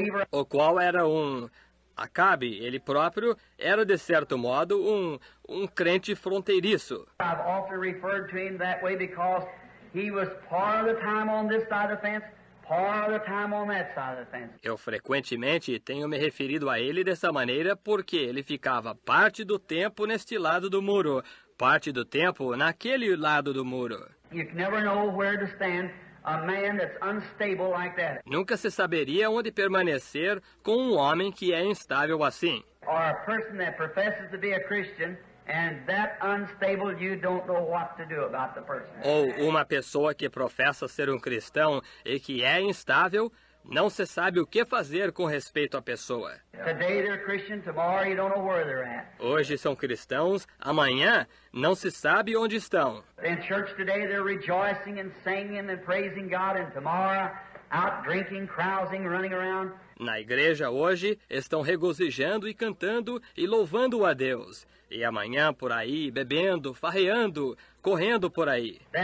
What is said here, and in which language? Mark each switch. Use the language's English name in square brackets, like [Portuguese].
[Portuguese] O qual era Acabe, ele próprio, era, de certo modo, um crente fronteiriço. [English] I've often referred to him that way because he was part of the time on this side of the fence, part of the time on that side of the fence. [Portuguese] Eu frequentemente tenho me referido a ele dessa maneira porque ele ficava parte do tempo neste lado do muro, parte do tempo naquele lado do muro. [English] You never know where to stand a man that's unstable like that. [Portuguese] Nunca se saberia onde permanecer com homem que é instável assim. [English] Or a person that professes to be a Christian. And that unstable, you don't know what to do about the person. [Portuguese] Ou uma pessoa que professa ser cristão e que é instável, não se sabe o que fazer com respeito à pessoa. [English] Today they're Christian, tomorrow you don't know where they're at. [Portuguese] Hoje são cristãos, amanhã não se sabe onde estão. [English] In church today they're rejoicing and singing and praising God, and tomorrow out drinking, carousing, running around. [Portuguese] Na igreja hoje estão regozijando e cantando e louvando a Deus. E amanhã por aí, bebendo, farreando, correndo por aí.